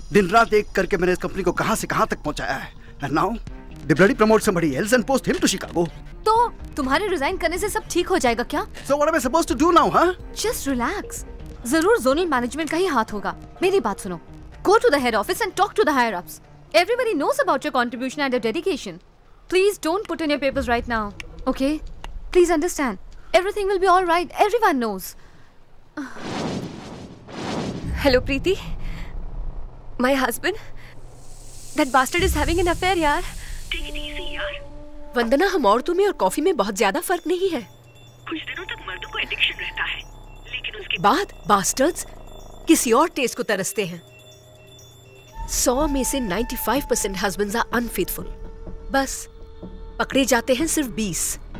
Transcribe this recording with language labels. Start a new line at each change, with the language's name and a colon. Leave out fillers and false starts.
Hindi: दिन रात एक करके मैंने इस कंपनी को कहां से कहां तक पहुंचाया है.
English: And now, the bloody promotion somebody else and post him to Chicago.
Hindi: तो तुम्हारे रिजाइन करने से सब ठीक हो जाएगा क्या?
English: So what am I supposed to do now, huh? Just relax.
Hindi: जरूर zonal management का ही हाथ होगा. मेरी बात सुनो.
English: Go to the head office and talk to the higher ups. Everybody knows about your contribution and your dedication. Please don't put in your papers right now. Okay? Please understand. Everything will be all right. Everyone knows. Hello, Preeti. My husband. That bastard is having an affair, yaar. Take it easy, yaar.
Hindi: Vandana, हम औरतों में और coffee में बहुत ज्यादा फर्क नहीं है. कुछ दिनों तक मर्दों को एडिक्शन रहता है, लेकिन उसके बाद बास्टर्ड्स किसी और टेस्ट को तरसते हैं. 100 में से 95%
English: Husbands are unfaithful.
Hindi: बस पकड़े जाते हैं सिर्फ 20.